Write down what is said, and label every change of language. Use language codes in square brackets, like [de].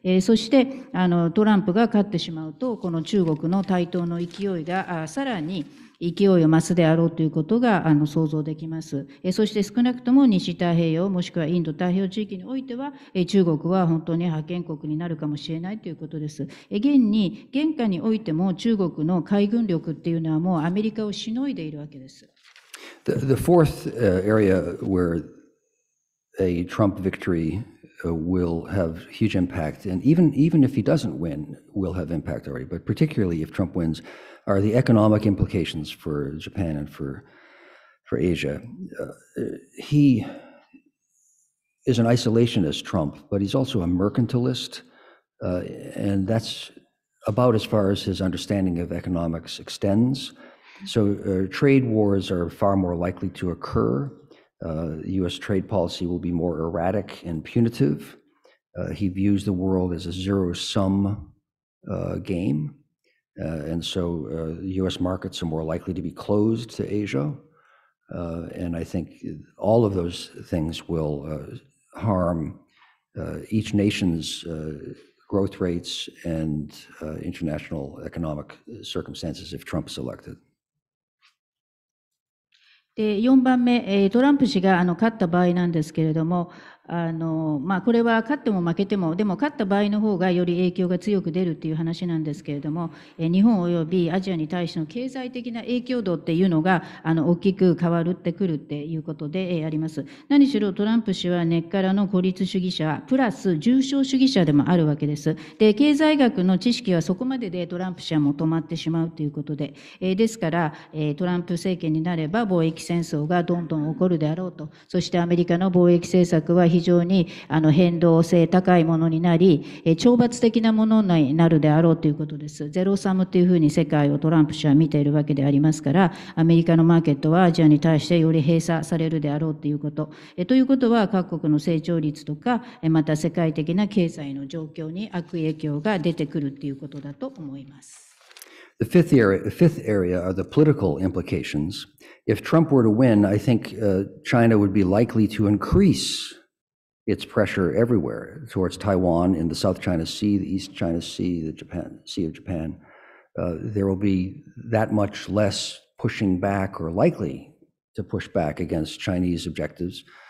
[ja] そしてトランプが勝ってしまうとこの中国の台頭の勢いがさらに勢いを増すであろうということが想像できます。そして少なくとも西太平洋もしくはインド太平洋地域においては中国は本当に覇権国になるかもしれないということです。現下においても中国の海軍力っていうのはもうアメリカをしのいでいるわけです。 [en] The fourth area where a Trump victory will have huge impact, and even if he doesn't win, will have impact already, but particularly if Trump winsare the economic implications for Japan and for Asia. He is an isolationist, Trump, but he's also a mercantilist, and that's about as far as his understanding of economics extends. So trade wars are far more likely to occur. U.S. trade policy will be more erratic and punitive. He views the world as a zero-sum game. And so U.S. markets are more likely to be closed to Asia. And I think all of those things will harm each nation's growth rates and international economic circumstances if Trump is elected. [ja] で4番目、トランプ氏が勝った場合なんですけれども、まあ、これは勝っても負けても、でも勝った場合の方がより影響が強く出るという話なんですけれども、日本およびアジアに対しての経済的な影響度っていうのが大きく変わってくるっていうことであります。何しろトランプ氏は根っからの孤立主義者、プラス重症主義者でもあるわけです。で、経済学の知識はそこまででトランプ氏はもう止まってしまうということで、ですから、トランプ政権になれば貿易戦争がどんどん起こるであろうと、そしてアメリカの貿易政策は非常に変動性高いものになり、懲罰的なものになるであろうということです。ゼロサムというふうに世界をトランプ氏は見ているわけでありますから、アメリカのマーケットはアジアに対してより閉鎖されるであろうということ。ということは、各国の成長率とか、また世界的な経済の状況に悪影響が出てくるということだと思います。 [en] The fifth area are the political implications. If Trump were to win, I think China would be likely to increase its pressure everywhere towards Taiwan, in the South China Sea, the East China Sea, the Japan, Sea of Japan. There will be that much less pushing back or likely to push back against Chinese objectives.